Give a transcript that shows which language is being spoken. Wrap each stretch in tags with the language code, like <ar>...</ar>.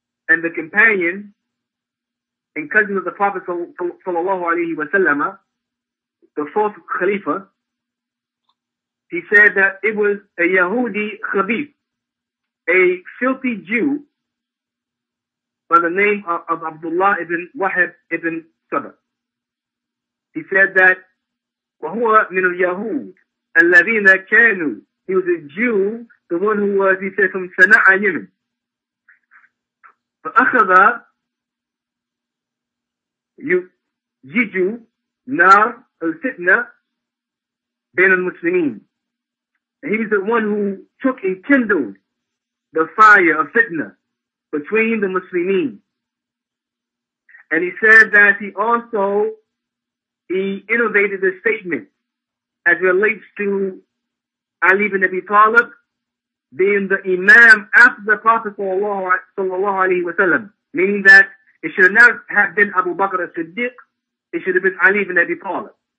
<en>and the companion and cousin of the Prophet sallallahu alayhi wa sallam, the fourth Khalifa, he said that it was a Yahudi Khabib, a filthy Jew by the name of Abdullah ibn Wahib ibn Sabah. He said that</en> <ar>وَهُوَ مِنُ الْيَهُودِ الَّذِينَ كَانُوا.</ar> <en>He was a Jew, the one who was, he said, from Sana'a, Yemen.</en> <ar>فأخذ يجيج نار الفتنة بين المسلمين.</ar> <en>He was the one who took and kindled the fire of fitna between the Muslimin. And he said that he also innovated the statement as relates to Ali ibn Abi Talib being the imam after the Prophet sallallahu alayhi wa sallam, meaning that it should not have been Abu Bakr as-Siddiq, it should have been Ali ibn Abi Talib.</en>